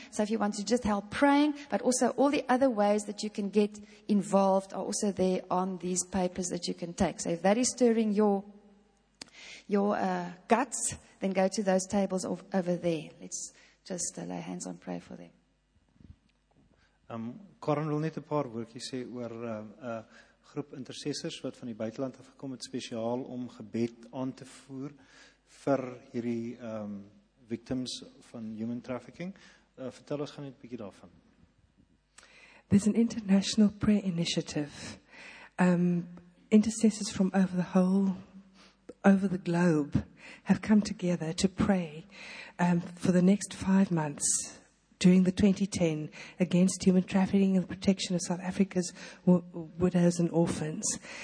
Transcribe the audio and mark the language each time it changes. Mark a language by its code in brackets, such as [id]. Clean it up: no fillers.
[en] So if you want to just help praying, but also all the other ways that you can get involved are also there on these papers that you can take. So if that is stirring your guts, then go to those tables over there. Let's just lay hands on, pray for them. [af] Corin wil net 'n paar woordjies sê oor 'n groep intercessors wat van die buiteland af gekom het spesiaal om gebed aan te voer vir hierdie victims van human trafficking. Vertel ons gaan net 'n bietjie daarvan. [en] There's an international prayer initiative. Intercessors from over the globe have come together to pray for the next 5 months. During the 2010 against human trafficking and the protection of South Africa's widows and orphans.